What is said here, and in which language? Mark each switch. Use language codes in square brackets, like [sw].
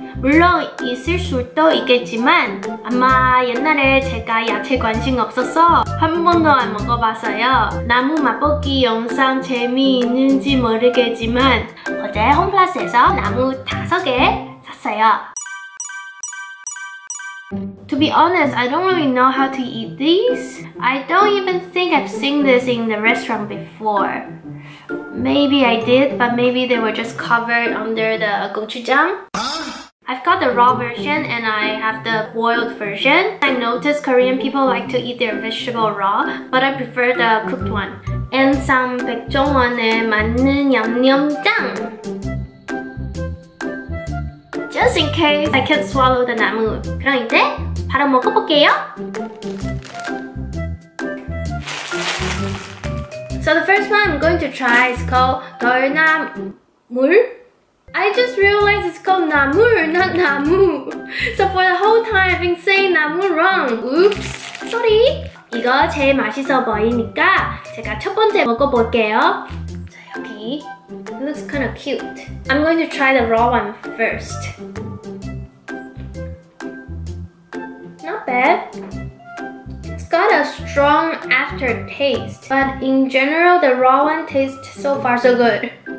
[ko] 물론 있을 수도 있겠지만 아마 옛날에 제가 야채 관심 없어서 한 번도 안 먹어봤어요. 나무 맛보기 영상 재미있는지 모르겠지만 어제 홈플러스에서 나무 5개 샀어요. [en] To be honest, I don't really know how to eat these. I don't even think I've seen this in the restaurant before. Maybe I did, but maybe they were just covered under the gochujang. I've got the raw version and I have the boiled version. I noticed Korean people like to eat their vegetable raw, but I prefer the cooked one. And some [ko] 백종원에 맞는 양념장. [en] Just in case I can't swallow the 나무. [ko] 그럼 이제 바로 먹어볼게요. [en] So the first one I'm going to try is called 덜나물. I just realized it's called 나물, not 나무. So for the whole time I've been saying 나무 wrong. Oops, sorry. [ko] 이거 제일 맛있어 보이니까 제가 첫 번째 먹어볼게요. 자, 여기. [en] It looks kind of cute. I'm going to try the raw one first. Not bad. It's got a strong aftertaste, but in general, the raw one tastes so far so good.